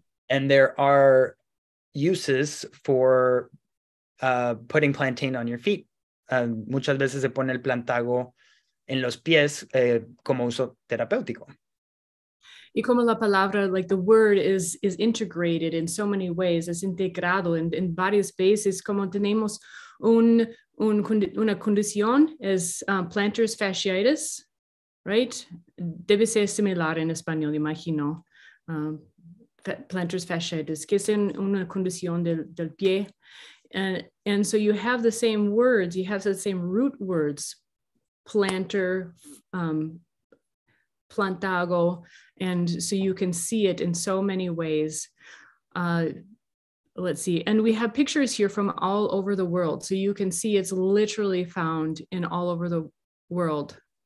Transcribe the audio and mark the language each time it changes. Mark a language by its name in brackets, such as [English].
[English] And there are uses for putting plantain on your feet. [Spanish] Muchas veces se pone el plantago en los pies como uso terapéutico. Y como la palabra, [English] like the word is integrated in so many ways, [Spanish] es integrado in varias veces, como tenemos una condición, es plantar fasciitis, right? Debe ser similar en español, imagino. Plantar fasciitis, que es una condición del pie. [English] And so you have the same words, you have the same root words, planter, plantago, and so you can see it in so many ways. Let's see, and we have pictures here from all over the world, so you can see it's literally found in all over the world.